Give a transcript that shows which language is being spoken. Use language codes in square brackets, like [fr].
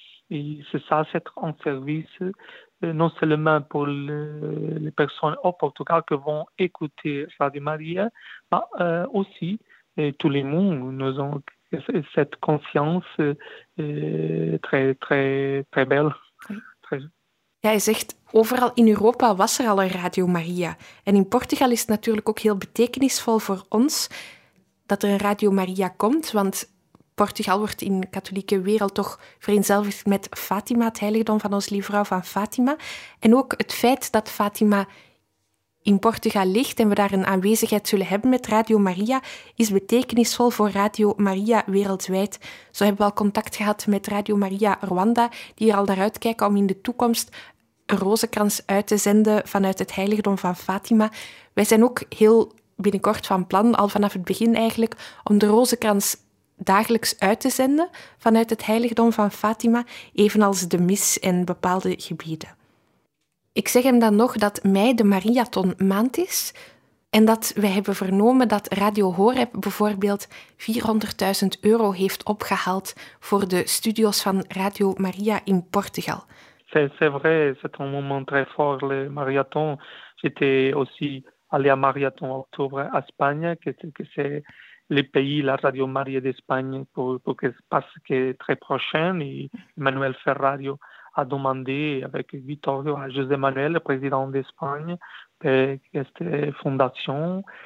[fr] Et c'est ça, c'est un service non seulement pour les personnes au Portugal qui vont écouter Radio Maria, mais aussi tout le monde. Nous avons cette conscience très, très, très belle. [nl] Ja, hij zegt, overal in Europa was er al een Radio Maria. En in Portugal is het natuurlijk ook heel betekenisvol voor ons dat er een Radio Maria komt, want Portugal wordt in de katholieke wereld toch vereenzelvigd met Fatima, het heiligdom van Onze Lieve Vrouw van Fatima. En ook het feit dat Fatima in Portugal ligt en we daar een aanwezigheid zullen hebben met Radio Maria, is betekenisvol voor Radio Maria wereldwijd. Zo hebben we al contact gehad met Radio Maria Rwanda, die er al naar uitkijken om in de toekomst een rozenkrans uit te zenden vanuit het heiligdom van Fatima. Wij zijn ook heel binnenkort van plan, al vanaf het begin eigenlijk, om de rozenkrans dagelijks uit te zenden vanuit het heiligdom van Fatima, evenals de mis en bepaalde gebieden. Ik zeg hem dan nog dat mei de Mariaton maand is en dat we hebben vernomen dat Radio Horeb bijvoorbeeld €400.000 heeft opgehaald voor de studio's van Radio Maria in Portugal. [fr] C'est vrai, c'est un moment très fort, le Mariaton. J'étais aussi allé à Mariaton en octobre à Espagne, que c'est le pays, la Radio Maria d'Espagne, pour que, parce que très prochain, et Manuel Ferrario a demandé avec Vittorio à José Manuel, le président d'Espagne, cette fondation.